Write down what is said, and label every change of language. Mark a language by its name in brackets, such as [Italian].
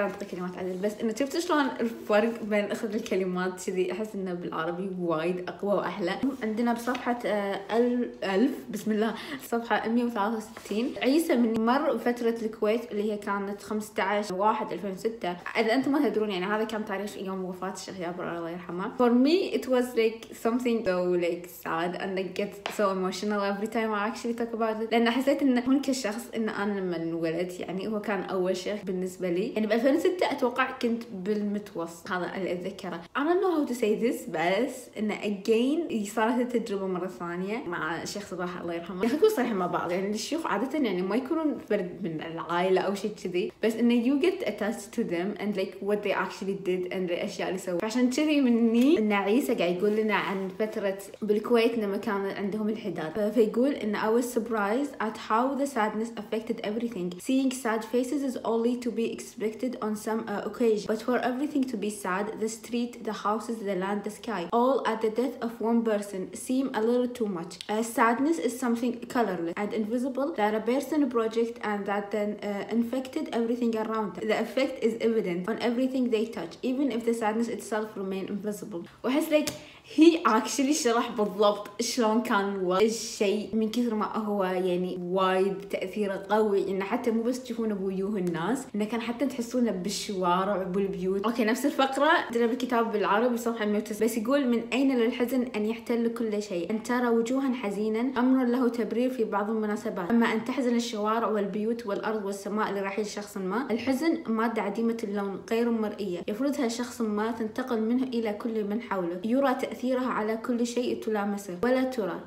[Arabic] اعطي كلمات عدل، بس انه شفت شلون الفرق بين اخذ الكلمات كذي؟ احس انه بالعربي وايد اقوى واحلى. عندنا بصفحه الف بسم الله صفحه 163 عيسى من مر فتره الكويت اللي هي كانت 15/1/2006. اذا انتم ما تدرون يعني هذا كان تاريخ يوم وفاه الشيخ جابر الله يرحمه. [English] For me it was like something so like sad and I get so emotional every time I actually talk about it. [Arabic] لان حسيت انه هناك شخص انه انا لما انولدت يعني هو كان اول شيخ بالنسبه لي. يعني ب 2006 اتوقع كنت بالمتوسط، هذا اللي اتذكره. [English] I don't know how to say this، [Arabic] بس انه [English] again [Arabic] صارت التجربه مره ثانيه مع الشيخ صباح الله يرحمه. يعني خلينا صريحين مع بعض، يعني الشيوخ عاده يعني ما يكونون فرد من العائله او شيء كذي، بس انه [English] you get attached to them and like what they actually did and the [Arabic] اشياء اللي سووها. فعشان كذي مني ان عيسى قاعد يقول لنا عن فتره بالكويت لما كان عندهم الحداد، فيقول ان [English] I was surprised at how the sadness affected everything. Seeing sad faces is only to be expected on some occasion, but for everything to be sad, the street, the houses, the land, the sky, all at the death of one person seem a little too much. Sadness is something colorless and invisible that a person project and that then infected everything around them. The effect is evident on everything they touch, even if the sadness itself remain invisible. [Arabic] وحس like هي actually شرح بالضبط شلون كان الشيء من كثر ما هو يعني وايد تأثيره قوي، إن حتى مو بس تشوفونه بوجوه الناس، إن كان حتى تحسونه بالشوارع وبالبيوت. أوكي نفس الفقرة عندنا بالكتاب بالعربي صفحة 109، بس يقول من أين للحزن أن يحتل كل شيء؟ أن ترى وجوها حزينا أمر له تبرير في بعض المناسبات، أما أن تحزن الشوارع والبيوت والأرض والسماء لرحيل شخص ما، الحزن مادة عديمة اللون غير مرئية يفرضها شخص ما تنتقل منه إلى كل من حوله، يرى تأثيرها على كل شيء تلامسه ولا ترى.